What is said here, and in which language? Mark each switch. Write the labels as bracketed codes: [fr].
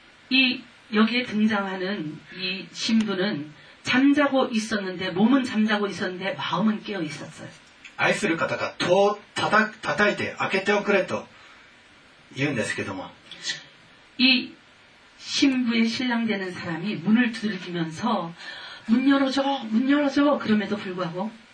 [ko] 이 여기에 등장하는 이 신부는 잠자고 있었는데 몸은 잠자고 있었는데 마음은 깨어 있었어요. [ja] 愛する方が 戸を叩いて開けておくれと言うんですけども。 [ko] 이 신부의 신랑 되는 사람이 문을 두드리면서 문 열어줘, 문 열어줘 그럼에도 불구하고